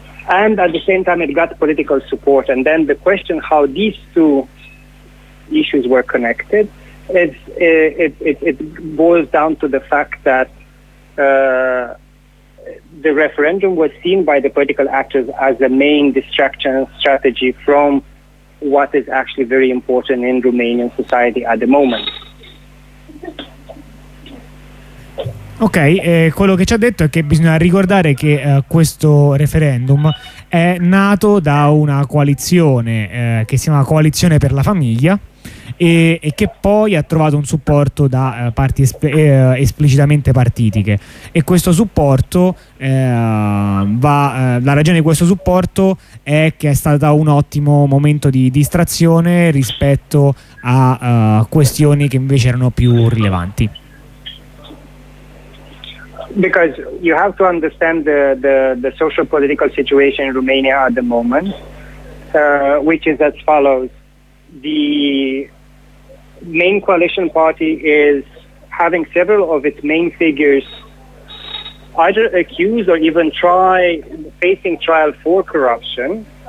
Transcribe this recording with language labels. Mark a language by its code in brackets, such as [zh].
[en] And at the same time, it got political support. And then the question how these two issues were connected, it boils down to the fact that the referendum was seen by the political actors as the main distraction strategy from what is actually very important in Romanian society at the moment. [it] Ok, quello che ci ha detto è che bisogna ricordare che questo referendum è nato da una coalizione che si chiama Coalizione per la Famiglia e che poi ha trovato un supporto da parti esplicitamente partitiche, e questo supporto la ragione di questo supporto è che è stato un ottimo momento di distrazione rispetto a questioni che invece erano più rilevanti. [en] Because you have to understand the social political situation in Romania at the moment, which is as follows. The main coalition party is having several of its main figures either accused or even facing trial for corruption.